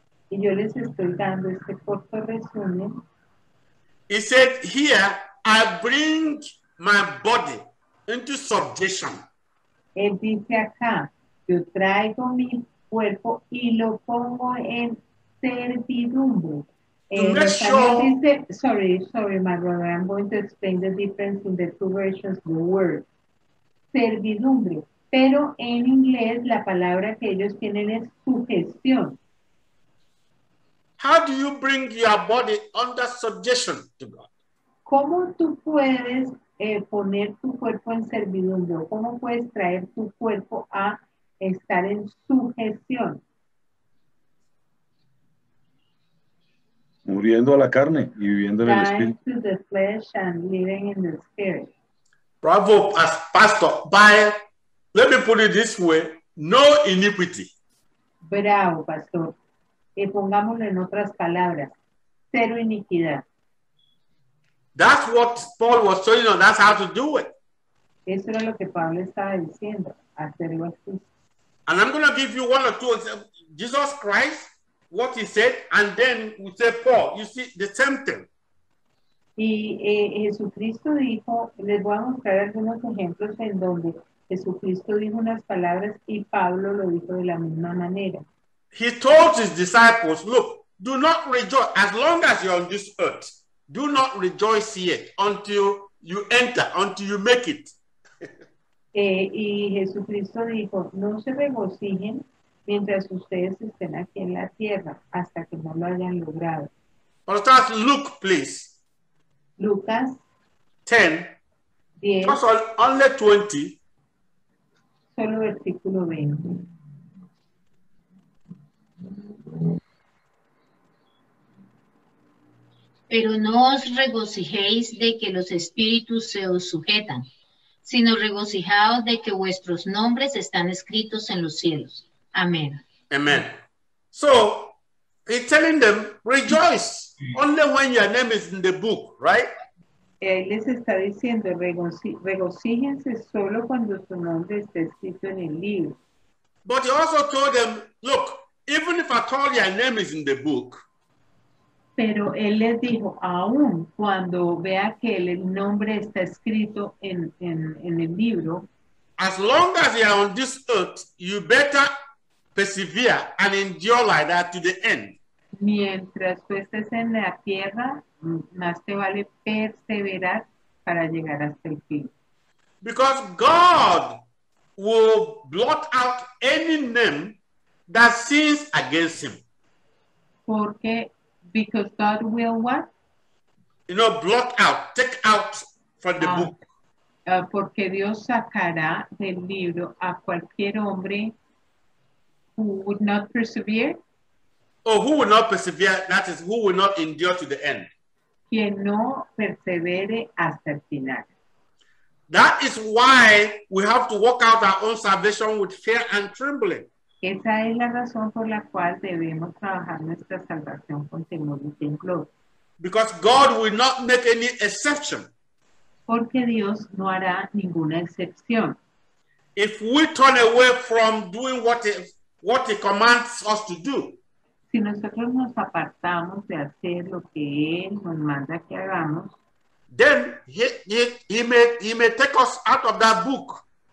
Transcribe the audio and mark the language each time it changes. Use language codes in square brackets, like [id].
[es] Y yo les estoy dando este corto resumen. [en] He said, here, I bring my body into subjection. [es] Él dice acá, yo traigo mi cuerpo y lo pongo en servidumbre. [en] Sorry, my brother, I'm going to explain the difference in the two versions of the word. [es] Servidumbre. Pero en inglés la palabra que ellos tienen es sujeción. [en] How do you bring your body under subjection to God? [es] ¿Cómo tú puedes poner tu cuerpo en servidumbre? ¿Cómo puedes traer tu cuerpo a estar en sujeción? Muriendo a la carne y viviendo en el espíritu. [en] To the flesh and living in the spirit. Bravo, as pastor, by, let me put it this way, no iniquity. [es] Bravo, pastor. Y pongámoslo en otras palabras, cero iniquidad. [en] That's what Paul was telling us, that's how to do it. [es] Eso era lo que Pablo estaba diciendo, hacerlo así. [en] And I'm going to give you one or two examples. Jesus Christ, what he said, and then we say, Paul, you see, the same thing. [es] Y Jesucristo dijo, les voy a mostrar algunos ejemplos en donde Jesucristo dijo unas palabras y Pablo lo dijo de la misma manera. [en] He told his disciples, look, do not rejoice, as long as you're on this earth, do not rejoice yet until you enter, until you make it. [es] Y Jesucristo dijo, no se regocijen mientras ustedes estén aquí en la tierra hasta que no lo hayan logrado. [en] Pastor, look, please. [es] Lucas 10, 10 [en] just only 20. [es] Solo versículo 20. Pero no os regocijéis de que los espíritus se os sujetan, sino regocijaos de que vuestros nombres están escritos en los cielos. Amén. [en] Amen. So, he's telling them, rejoice only when your name is in the book, right? [es] Él les está diciendo, regocíjense solo cuando su nombre esté escrito en el libro. [en] But he also told them, look, even if at all your name is in the book, [es] pero él les dijo, aún cuando vea que el nombre está escrito en el libro, [en] as long as you are on this earth, you better persevere and endure like that to the end. [es] Mientras tú estés en la tierra, más te vale perseverar para llegar hasta el fin. [en] Because God will blot out any name that sins against him. [es] Porque [en] because God will what? You know, blot out, take out from the book. [es] Porque Dios sacará del libro a cualquier hombre [en] who would not persevere. Oh, who will not persevere? That is, who will not endure to the end. [es] Quien no persevere hasta el final. [en] That is why we have to work out our own salvation with fear and trembling. [es] Esa es la razón por la cual debemos trabajar nuestra salvación con temor y temblor. [en] Because God will not make any exception. [es] Porque Dios no hará ninguna excepción. [en] If we turn away from doing what he commands us to do. [es] Si nosotros nos apartamos de hacer lo que él nos manda que hagamos. [en] Then he may take us out of that book.